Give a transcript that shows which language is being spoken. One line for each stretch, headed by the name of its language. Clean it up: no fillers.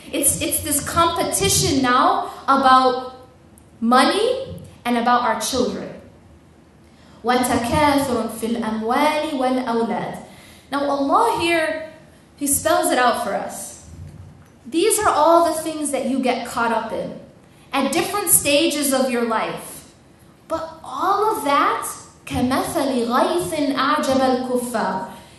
English: It's this competition now about money and about our children.
Arabic: وتكاثر في الأموال والأولاد.
English: Now Allah here, He spells it out for us. These are all the things that you get caught up in at different stages of your life. But all of that,
Arabic: كمثل غيث أعجب الكفار.